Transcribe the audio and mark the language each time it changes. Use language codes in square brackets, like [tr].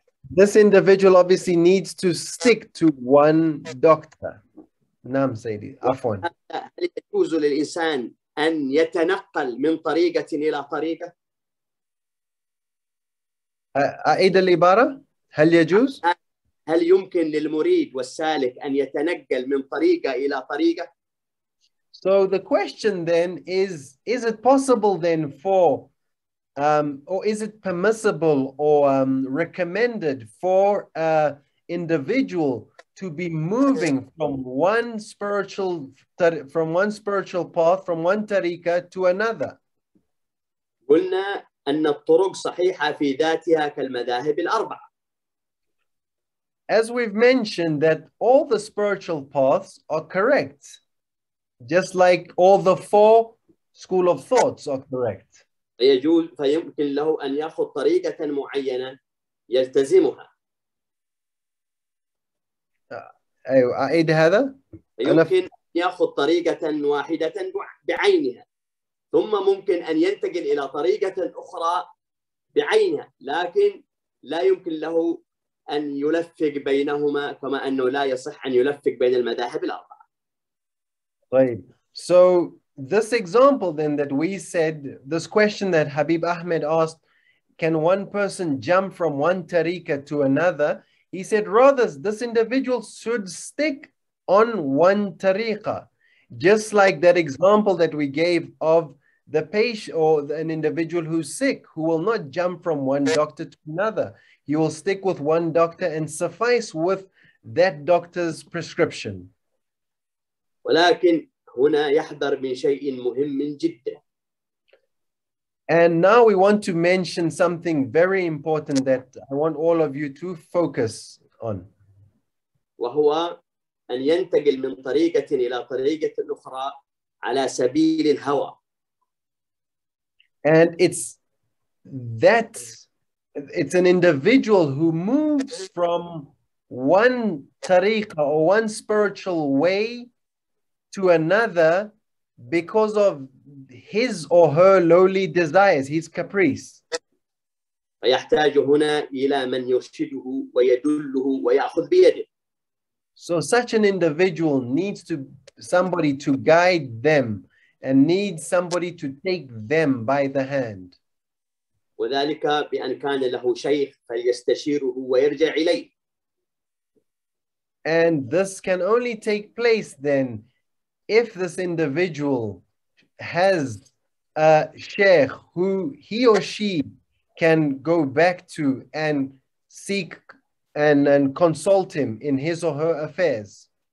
[en] this individual obviously needs to stick to one doctor. [ar] نعم سيدي عفوا. هل يجوز للإنسان أن يتنقل من طريقة إلى طريقة؟ أعيد العبارة. هل يجوز؟ هل يمكن للمريد والسالك أن يتنقل من طريقة إلى طريقة؟ [en] So the question then is it possible then for, or is it permissible or recommended for an individual to be moving from one spiritual path, from one tariqah to another? قلنا أن الطرق صحيحة في ذاتها كالمذاهب الأربعة. As we've mentioned that all the spiritual paths are correct. Just like all the four school of thoughts are correct. [ar] فيمكن له أن يأخذ طريقة معينة يلتزمها. أعيد هذا. يمكن يأخذ طريقة واحدة بعينها. ثم ممكن أن ينتقل إلى طريقة أخرى بعينها. لكن لا يمكن له أن يلفق بينهما كما أنه لا يصح أن يلفق بين المذاهب الأربعة. [en] Right. So this example then that we said, this question that Habib Ahmed asked, can one person jump from one tariqa to another? He said, rather, this individual should stick on one tariqa. Just like that example that we gave of the patient or an individual who's sick, who will not jump from one doctor to another. He will stick with one doctor and suffice with that doctor's prescription. [ar] ولكن هنا يحذر من شيء مهم جدا. [en] And now we want to mention something very important that I want all of you to focus on. [ar] وهو أن ينتقل من طريقة إلى طريقة أخرى على سبيل الهوى. [en] And it's that it's an individual who moves from one tariqa or one spiritual way to another because of his or her lowly desires, his caprice. [ar] فيحتاج هنا إلى من يرشده ويدله ويأخذ بيده. [en] So such an individual needs to somebody to guide them and needs somebody to take them by the hand. [ar] وذلك بأن كان له شيخ فليستشيره ويرجع إليه. [en] And this can only take place then if this individual has a sheikh who he or she can go back to and seek and consult him in his or her affairs.